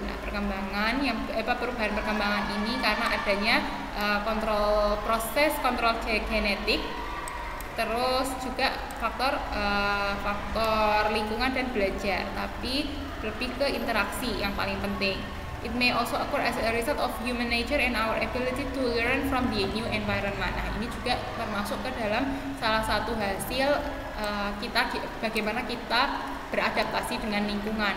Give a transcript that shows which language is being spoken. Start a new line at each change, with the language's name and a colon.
Indonesian: Nah, perkembangan yang perubahan perkembangan ini karena adanya kontrol proses kontrol genetik, terus juga faktor faktor lingkungan dan belajar, tapi lebih ke interaksi yang paling penting.
English: It may also occur as a result of human nature and our ability to learn from the new environment.
Indonesian: Nah, ini juga termasuk ke dalam salah satu hasil kita bagaimana kita beradaptasi dengan lingkungan.